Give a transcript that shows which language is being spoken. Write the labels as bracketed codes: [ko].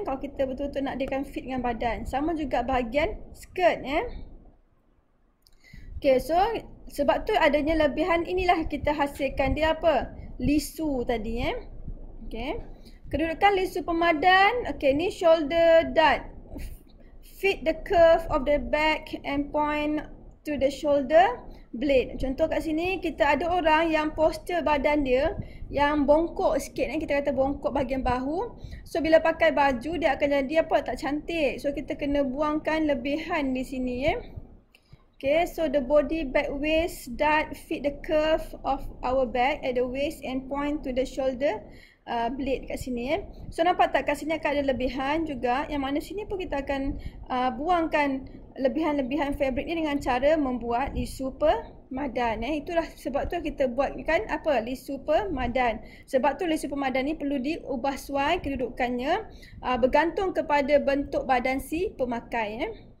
[ms] Kalau kita betul-betul nak dia kan fit dengan badan. Sama juga bahagian skirt ya. Okay, so sebab tu adanya lebihan inilah kita hasilkan dia apa? Lisu tadi ya. Okay. Kedudukan lisu pemadan. Okay, ni shoulder dart. [en] Fit the curve of the back and point to the shoulder blade. [ms] Contoh kat sini kita ada orang yang postur badan dia yang bongkok sikit ya. Kita kata bongkok bahagian bahu. So bila pakai baju dia akan jadi apa? Tak cantik. So kita kena buangkan lebihan di sini ya. [en] Okay, so the body back waist that fit the curve of our back at the waist and point to the shoulder blade [ms] kat sini eh. So nampak tak kat sini akan ada lebihan juga yang mana sini pun kita akan buangkan lebihan-lebihan fabric ni dengan cara membuat lisu pemadan eh. Itulah sebab tu kita buatkan apa? Lisu pemadan. Sebab tu lisu pemadan ni perlu diubah suai kedudukannya bergantung kepada bentuk badan si pemakai eh.